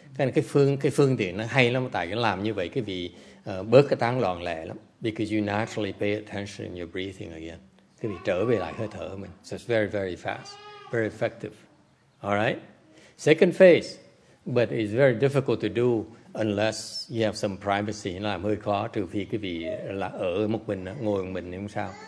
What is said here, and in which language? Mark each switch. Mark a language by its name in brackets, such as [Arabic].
[Vietnamese] Cái phương tiện nó hay lắm, tại vì làm như vậy cái vị bớt cái tán loạn lẹ lắm. [English] Because you naturally pay attention in your breathing again. [Vietnamese] Cái vị trở về lại hơi thở của mình. [English] So it's very very fast, very effective. All right. Second phase, but it's very difficult to do. Unless you have some privacy, [Vietnamese] làm hơi khó. Trừ phi quý vị là ở một mình, ngồi một mình thì không sao.